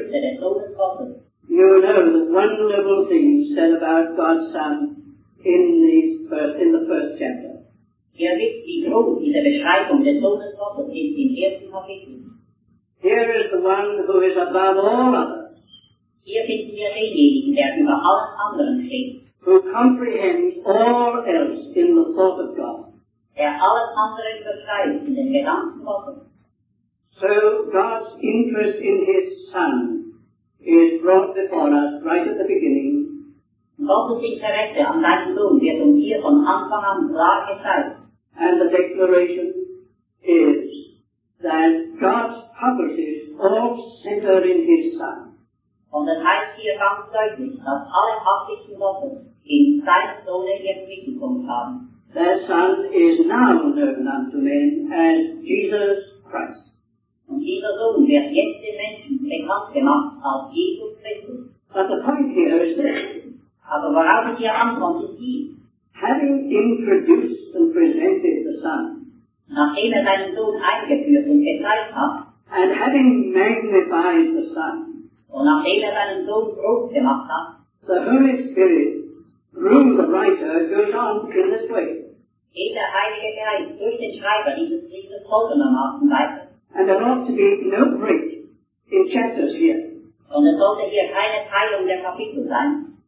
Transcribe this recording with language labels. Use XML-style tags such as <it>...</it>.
<en>You know the wonderful things said about God's Son in the first chapter. Here is the one who is above all others.</en> <de>Hier finden wir denjenigen, der über alles andere steht.</de> <en>Who comprehends all else in the thought of God.</en> <de>Der alles andere beschreibt in den Gedanken Gottes.</de> <en>So God's interest in his Son is brought before us right at the beginning.</en> <de>Gottes Interesse an seinem Sohn wird uns hier von Anfang an klar gezeigt.</de> <en>And the declaration is that God's purposes all center in his Son.</en> <de>Und das heißt hier ganz deutlich, dass alle Absichten Gottes in seinem Sohn entwickelt worden haben.</de> <en>Their Son is now known unto men as Jesus Christ.</en> <de>Und dieser Sohn wird jetzt den Menschen bekannt gemacht als Jesus Christus.</de> <en>But the point here is this.</en> <de>Aber worauf ich hier ankomme, ist dies.</de> <en>Having introduced and presented the Son,</en> <de>nachdem er seinen Sohn eingeführt und gezeigt hat,</de> <en>and having magnified the Son,</en> <de>und nachdem er seinen Sohn groß gemacht hat,</de> <en>the Holy Spirit, through the writer, goes on in this way.</en> <de>Der Heilige Geist durch den Schreiber dieses Briefes folgendermaßen weiter.</de> <en>And there ought to be no break in chapters here.</en> <de>Und es sollte hier keine Teilung der Kapitel sein.</de>